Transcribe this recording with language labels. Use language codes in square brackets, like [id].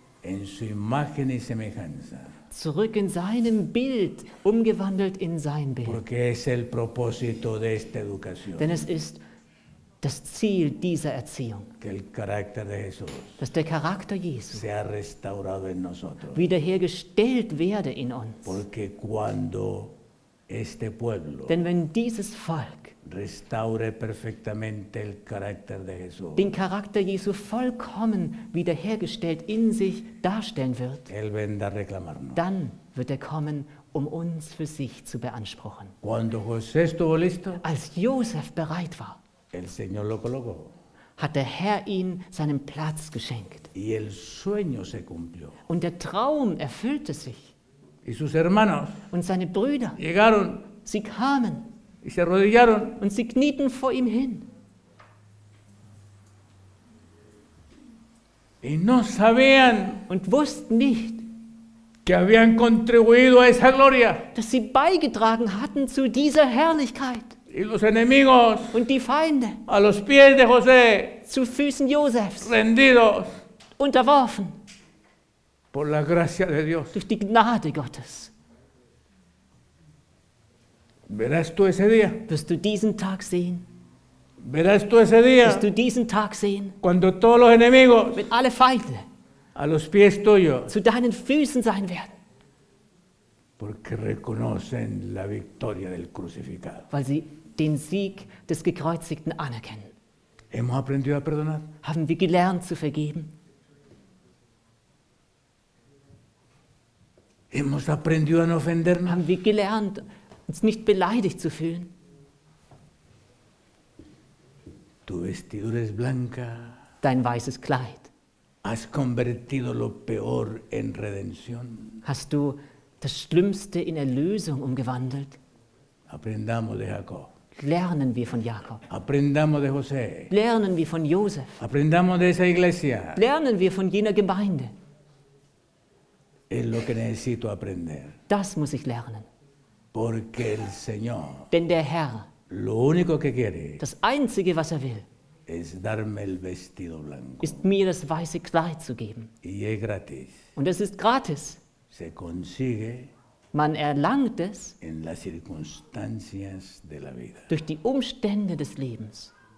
[es] En su imagen y semejanza. [de] Zurück in seinem Bild, umgewandelt in sein Bild. [es] Porque es el propósito de esta educación. [de] Denn es ist das Ziel dieser Erziehung, [es] el carácter de Jesús, [de] dass der Charakter Jesu [es] sea restaurado en nosotros, [de] wiederhergestellt werde in uns. [es] Porque cuando este pueblo, [de] denn wenn dieses Volk [es] restaure perfectamente el carácter de Jesús, [de] den Charakter Jesu vollkommen wiederhergestellt in sich darstellen wird, [es] él vendrá a reclamarnos. [de] Dann wird er kommen, um uns für sich zu beanspruchen. [es] Cuando José estuvo listo, [de] als Josef bereit war, [es] el Señor lo colocó. [de] Hat der Herr ihm seinen Platz geschenkt. [es] Y el sueño se cumplió. [de] Und der Traum erfüllte sich. [es] Y sus hermanos [de] und seine Brüder [es] llegaron. [de] Sie kamen. [es] Y se arrodillaron. [de] Und sie knieten vor ihm hin. [es] Y no sabían [de] und wussten nicht, [es] que habían contribuido a esa gloria. [de] Dass sie beigetragen hatten zu dieser Herrlichkeit. [es] Y los enemigos, [de] und die Feinde, [es] a los pies de José, [de] zu Füßen Josefs, [es] rendidos, [de] unterworfen, [es] por la gracia de Dios, [de] durch die Gnade Gottes. [es] Verás tú ese día, [de] wirst du diesen Tag sehen, [es] verás tú ese día, [de] wirst du diesen Tag sehen, [es] cuando todos los enemigos, [de] wenn alle Feinde, [es] a los pies tuyos, [de] zu deinen Füßen sein werden. [es] Porque reconocen la victoria del crucificado. [de] Weil sie den Sieg des Gekreuzigten anerkennen. [es] Hemos aprendido a perdonar. [de] Haben wir gelernt zu vergeben? [es] Hemos aprendido a no ofendernos. [de] Haben wir gelernt, uns nicht beleidigt zu fühlen? [es] Tu vestidura es blanca. [de] Dein weißes Kleid. [es] Has convertido lo peor en redención. [de] Hast du das Schlimmste in Erlösung umgewandelt. [es] Aprendamos de Jacob. [de] Lernen wir von Jakob. [es] Aprendamos de José. [de] Lernen wir von Josef. [es] Aprendamos de esa iglesia. [de] Lernen wir von jener Gemeinde. [es] Es lo que necesito aprender. [de] Das muss ich lernen. [es] Porque el Señor, [de] denn der Herr, [es] lo único que quiere, [de] das Einzige, was er will, [es] es darme el vestido blanco, [de] ist mir das weiße Kleid zu geben. [es] Y es gratis. [de] Und es ist gratis. [es] Se consigue, [de] man erlangt es [es] en las circunstancias de la vida, [de] durch die Umstände des Lebens.